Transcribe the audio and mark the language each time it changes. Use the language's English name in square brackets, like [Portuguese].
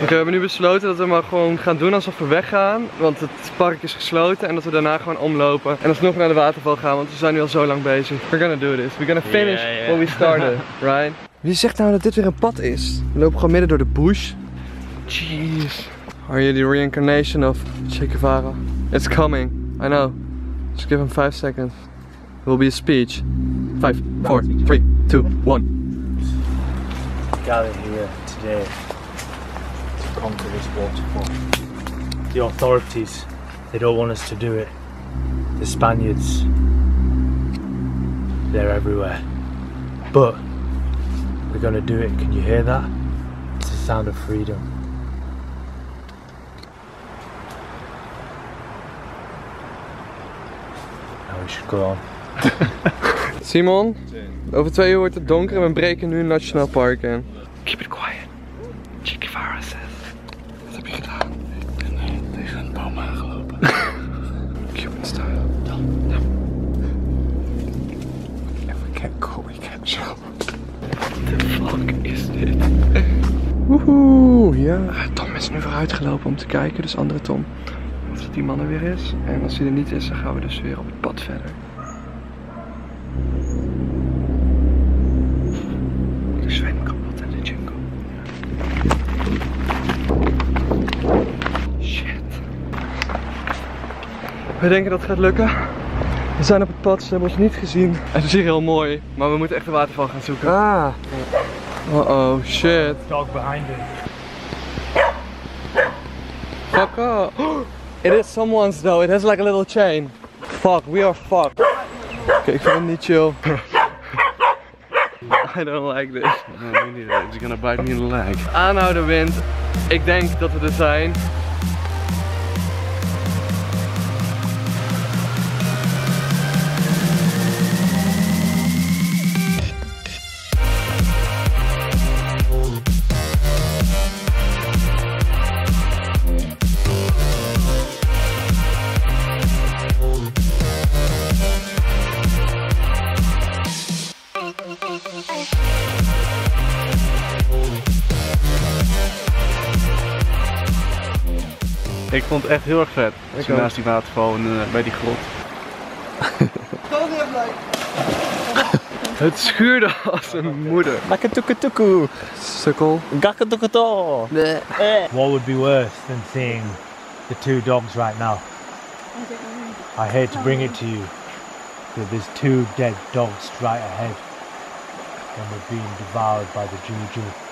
[Dutch] Oké, we hebben nu besloten dat we maar gewoon gaan doen alsof we weggaan. Want het park is gesloten en dat we daarna gewoon omlopen. En alsnog naar de waterval gaan, want we zijn nu al zo lang bezig. [English] We're gonna do this. We're gonna finish what we started, right? [Dutch] Wie zegt nou dat dit weer een pad is? We lopen gewoon midden door de bush. [English] Jeez. Are you the reincarnation of Che Guevara? It's coming. I know. Just give him 5 seconds. It will be a speech. 5, 4, 3, 2, 1. We gather here today to come to this waterfall. The authorities, they don't want us to do it. The Spaniards, they're everywhere. But we're gonna do it. Can you hear that? It's the sound of freedom. [Dutch] Simon, over 2 uur wordt het donker en we breken nu een nationaal park in. [English] Keep it quiet. Che Guevara says. [Dutch] Wat heb je gedaan? Ik ben tegen een boom aangelopen. [English] Cuban style. [Dutch] Dan. Ja. En [English] we can't go, we can't show. What the fuck is [Dutch] dit? Woehoe, ja. Tom is nu vooruit gelopen om te kijken, dus andere Tom. Dat die man er weer is. En als hij er niet is, dan gaan we dus weer op het pad verder. Ik zwem kapot in de jungle. Shit. We denken dat het gaat lukken. We zijn op het pad, ze hebben ons niet gezien. Het is hier heel mooi, maar we moeten echt de waterval gaan zoeken. Ah. Oh shit. [English] Dog behind him. Fuck off. It is someone's though, it has like a little chain. Fuck, we are fucked. [Dutch] Okay, ik vind hem niet chill. [English] I don't like this. No, me neither, it's gonna bite me in the leg. [Dutch] Aanhouden wind, ik denk dat we er zijn. Ik vond het echt heel erg vet. Ik ook. Naast die waterval en bij die grot. Het schuurde als een moeder. Lakatukatuku. Sukkel. Gakatukato. [English] What would be worse than seeing the two dogs right now? I hate to bring it to you, but there's two dead dogs right ahead. And we're being devoured by the juju.